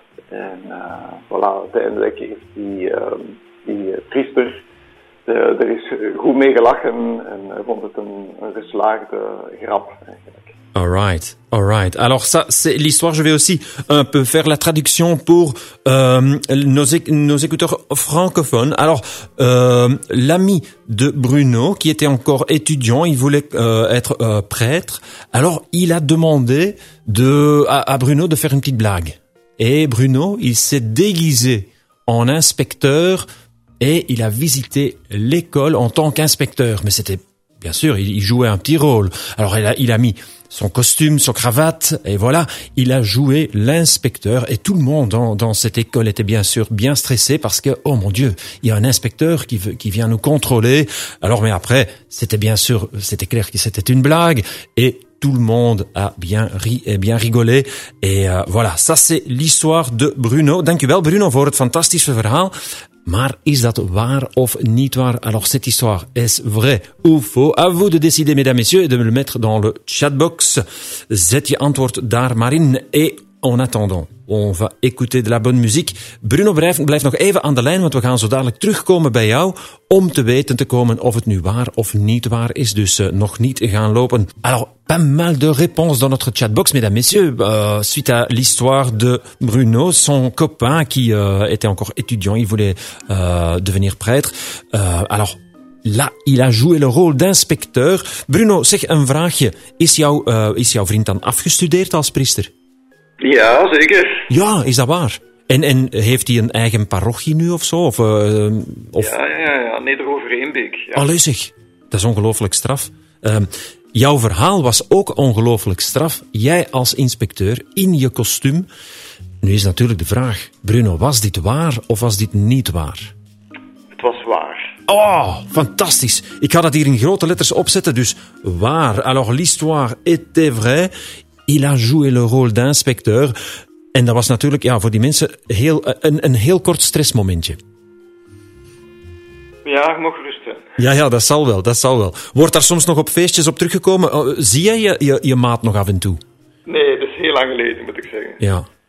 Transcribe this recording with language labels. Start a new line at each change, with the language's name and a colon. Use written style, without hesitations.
Dutch: En voilà, uiteindelijk heeft die priester er is goed mee gelachen en vond het een geslaagde grap eigenlijk.
English: Alright, alright.
French: Alors ça, c'est l'histoire. Je vais aussi un peu faire la traduction pour nos écouteurs francophones. Alors, l'ami de Bruno, qui était encore étudiant, il voulait être prêtre. Alors, il a demandé à Bruno de faire une petite blague. Et Bruno, il s'est déguisé en inspecteur et il a visité l'école en tant qu'inspecteur. Mais c'était, bien sûr, il jouait un petit rôle. Alors, il a mis... son costume, sa cravate, et voilà, il a joué l'inspecteur, et tout le monde dans cette école était bien sûr bien stressé, parce que, oh mon Dieu, il y a un inspecteur qui vient nous contrôler. Alors, mais après, c'était bien sûr, c'était clair que c'était une blague, et tout le monde a bien ri et bien rigolé. Et voilà, ça c'est l'histoire de Bruno.
Dutch: Dankjewel Bruno voor het fantastische verhaal. Maar is dat waar of niet waar?
French: Alors, cette histoire, est-ce vrai ou faux? À vous de décider, mesdames, messieurs, et de me le mettre dans le chatbox.
Dutch: Zet je antwoord daar, Marine.
French: Et en attendant, on va écouter de la bonne musique.
Dutch: Bruno, blijf nog even aan de lijn, want we gaan zo dadelijk terugkomen bij jou om te weten te komen of het nu waar of niet waar is. Dus nog niet gaan lopen.
French: Alors, pas mal de réponses dans notre chatbox, mesdames, messieurs, suite à l'histoire de Bruno, son copain qui était encore étudiant, il voulait devenir prêtre. Alors, là, il a joué le rôle d'inspecteur.
Dutch: Bruno, zeg een vraagje. Is jouw vriend dan afgestudeerd als priester? Ja, zeker. Ja, is dat waar? En heeft hij een eigen parochie nu of zo? Ja. Nederhoofd-Rijnbeek. Ja. Allee zeg, dat is ongelooflijk straf. Jouw verhaal was ook ongelooflijk straf. Jij als inspecteur in je kostuum. Nu is natuurlijk de vraag, Bruno, was dit waar of was dit niet waar? Het was waar. Oh, fantastisch. Ik ga dat hier in grote letters opzetten, dus waar.
French: Alors, l'histoire était vraie. Il a joué le rôle d'inspecteur.
Dutch: En dat was natuurlijk ja, voor die mensen een heel kort stressmomentje. Ja, ik mag rusten. Ja, dat zal wel, dat zal wel. Wordt daar soms nog op feestjes op teruggekomen? Zie jij je maat nog af en toe? Nee, dat is heel lang geleden, moet ik zeggen. Ja.